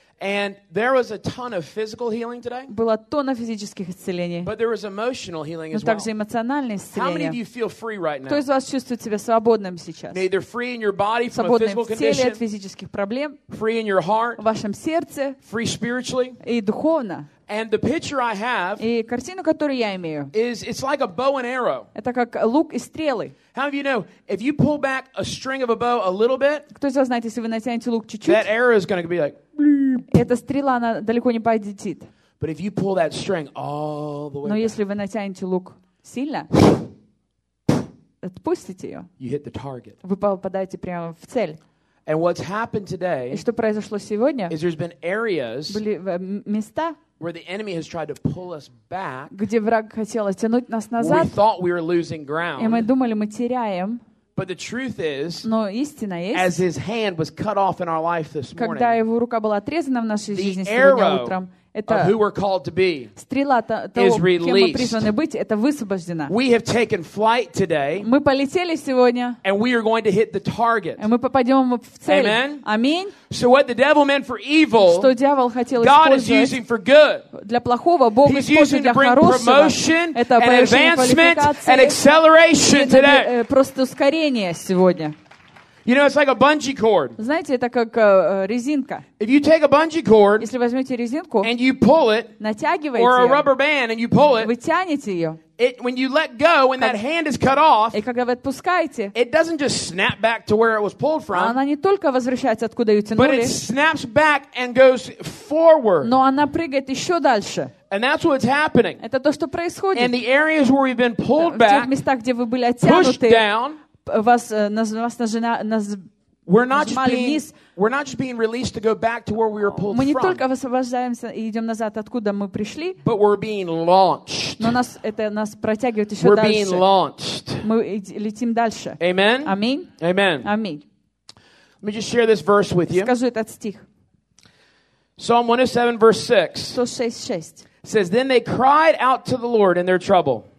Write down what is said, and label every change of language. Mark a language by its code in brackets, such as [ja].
[en] And there was a ton of physical healing today. [ru] Было тонна физических исцелений. [en] But there was emotional healing as well. [ru] Но также эмоциональные исцеления. [en] How many of you feel free right now? [ru] Кто из вас чувствует себя свободным сейчас? [en] Either free in your body from a physical condition. [ru] Свободным в теле от физических проблем. [en] Free in your heart. [ru] В вашем сердце. [en] Free spiritually. [ru] И духовно. [en] And the picture I have. [ru] И картину, которую я имею. [en] Is it's like a bow and arrow. [ru] Это как лук и стрелы. [en] How do you know if you pull back a string of a bow a little bit? [ru] Кто из вас знает, если вы натянете лук чуть-чуть? [en] That arrow is going to be like. [ru] Эта стрела, она далеко не полетит. [en] But if you pull that string all the way. [ru] Но если вы натянете лук сильно, отпустите ее. [en] You hit the target. [ru] Вы попадаете прямо в цель. [en] And what's happened today? [ru] И что произошло сегодня? [en] Is there's been areas. [ru] Были места. [en] Where the enemy has tried to pull us back. [ru] Где враг хотел оттянуть нас назад. [en] We thought we were losing ground. [ru] И мы думали, мы теряем. [en] But the truth is, [ru] но истина есть, [en] as his hand was cut off in our life this morning, [ru] когда его рука была отрезана в нашей жизни [en] the arrow [ru] утром, [en] of who we're called to be [ru] стрела того, [en] is released. [ru] Кем мы призваны быть, это высвобождено. [en] We have taken flight today, [ru] мы полетели сегодня, [en] and we are going to hit the target. [ru] И мы попадем в цель. [en] Amen? [ru] Аминь. [en] So what the devil meant for evil, [ru] что дьявол хотел [en] God is using for good. [ru] Для плохого Бог [en] He's [ru] использует [en] using to bring [ru] хорошего. [en] Promotion, [ru] это [en] and advancement and acceleration [ru] это, [en] today. [ru] Просто ускорение сегодня. [en] You know, it's like a bungee cord. [ru] Знаете, это как резинка. [en] If you take a bungee cord, [ru] если возьмете резинку, [en] and you pull it, [ru] натягиваете, [en] or a rubber band, and you pull it, [ru] вы тянете ее. [en] It when you let go, when that hand is cut off, [ru] и когда вы отпускаете, [en] it doesn't just snap back to where it was pulled from. [ru] Она не только возвращается откуда ее тянули, [en] but it snaps back and goes forward. [ru] Но она прыгает еще дальше. [en] And that's what's happening. [ru] Это то, что происходит. [en] And the areas where we've been pulled back, [ru] в тех местах, где вы были оттянуты, [en] pushed down. [ru] Вас, вас нажина, наз, [en] We're not just being released to go back to where we were pulled from. [ru] Мы не только освобождаемся и идём назад, откуда мы пришли. [en] But we're being launched. [ru] Но нас протягивает ещё дальше. [en] We're being launched. [ru] Мы летим дальше. [en] Amen. Amen. Amen. Amen. Let me just share this verse with you. [ru] Скажу этот стих. [en] Psalm 107 verse 6. 106:6. Says then they cried out to the Lord in their trouble.